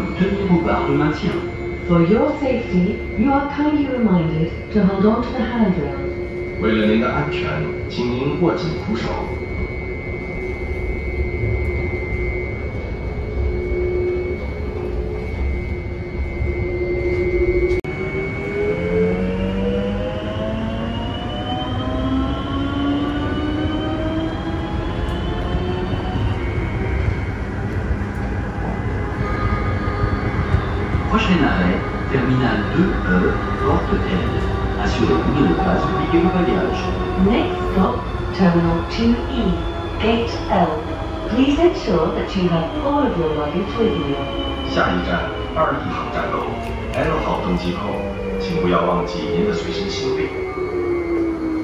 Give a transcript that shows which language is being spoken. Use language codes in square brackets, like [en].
[en] For your safety, you are kindly reminded to hold on to the handrails. [zh] 为了您的安全，请您握紧扶手。 [fr] Prochain arrêt, terminal 2E, porte L. Assurez-vous de ne pas oublier vos bagages. [en] Next stop, terminal 2E, gate L. Please ensure that you have all of your luggage with you. [zh] 下一站，2E航站楼 ，L 号登机口。请不要忘记您的随身行李。